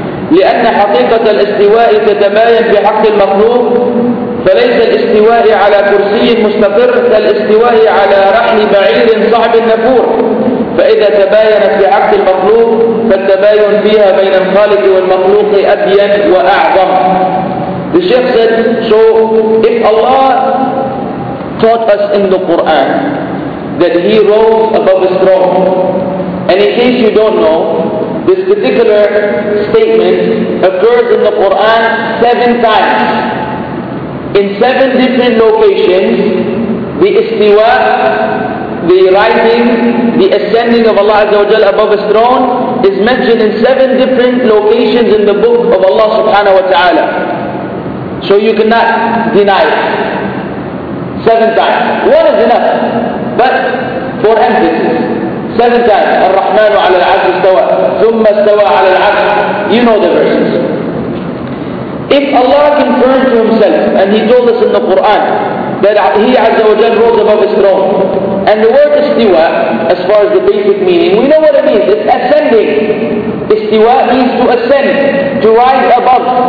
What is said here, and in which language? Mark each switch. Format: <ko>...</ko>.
<ar>لأن حقيقة الاستواء تتباين بحق المخلوق فليس الاستواء على كرسي مستقر كالاستواء على رحل بعير صعب النفور فإذا تباينت بحق المخلوق فالتباين فيها بين الخالق والمخلوق أبين وأعظم.</ar> <en>The Sheikh said, so if Allah taught us in the Quran that He rose above a throne, and in case you don't know, this particular statement occurs in the Quran 7 times. In 7 different locations, the istiwa, the rising, the ascending of Allah Azza wa Jalla above His throne is mentioned in 7 different locations in the book of Allah Subhanahu wa Ta'ala. So you cannot deny it. 7 times. 1 is enough. But for emphasis. 7 times,</en> <ar>الرحمن على العرش استوى ثم استوى على العرش.</ar> <en>You know the verses. If Allah confirmed to Himself, and He told us in the Quran, that He Azza wa Jal rose above His throne, and the word istiwa, as far as the basic meaning, we know what it means, it's ascending. Istiwa means to ascend, to rise above.</en>